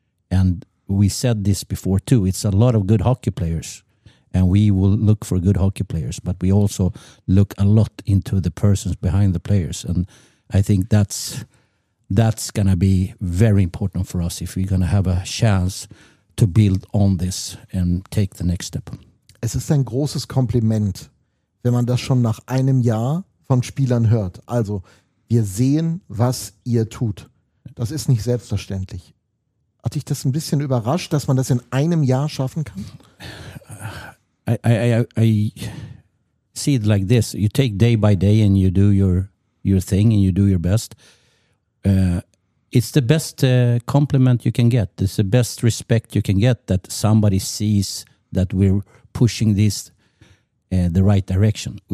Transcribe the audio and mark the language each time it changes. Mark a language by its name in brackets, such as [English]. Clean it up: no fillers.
[English] And we said this before too, it's a lot of good hockey players, and we will look for good hockey players, but we also look a lot into the persons behind the players. And I think that's going to be very important for us if we're going to have a chance to build on this and take the next step. [German] Es ist ein großes Kompliment, wenn man das schon nach einem Jahr von Spielern hört. Also, wir sehen, was ihr tut. Das ist nicht selbstverständlich. Hat dich das ein bisschen überrascht, dass man das in einem Jahr schaffen kann? [English] I see it like this. You take day by day and you do your thing and you do your best. It's the best compliment you can get. It's the best respect you can get, that somebody sees that we're pushing this the right direction.